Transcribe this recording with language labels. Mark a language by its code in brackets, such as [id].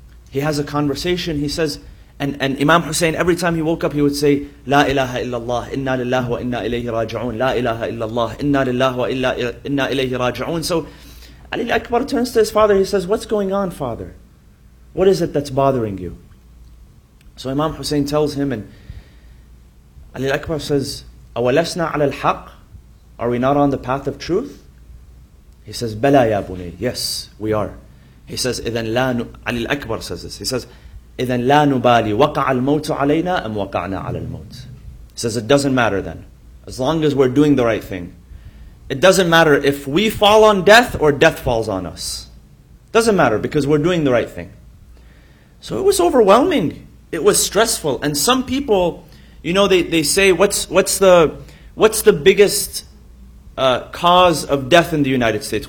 [en] He has a conversation, he says, and Imam Hussein, every time he woke up, he would say, [ar] La ilaha illallah, inna lillahi wa inna ilayhi raji'un, [en] La ilaha illallah, inna lillahi wa inna ilayhi raji'un. So Ali al-Akbar turns to his father, he says, what's going on, father? What is it that's bothering you? So Imam Hussein tells him, and Ali al-Akbar says, [ar] أَوَلَسْنَا عَلَى الْحَقِّ? [en] Are we not on the path of truth? He says, [ar] بَلَا يَا بُنَيْ. [en] Yes, we are. He says, [ar] إِذَنْ لَا [en] Ali al-Akbar says this. He says, [ar] إِذَنْ لَا نُبَالِي وَقَعَ الْمَوْتُ عَلَيْنَا أَمْ وَقَعْنَا عَلَى الْمَوْتِ. [en] He says, it doesn't matter then. As long as we're doing the right thing. It doesn't matter if we fall on death or death falls on us. It doesn't matter because we're doing the right thing. So it was overwhelming. It was stressful. And some people, they say, what's the biggest cause of death in the United States?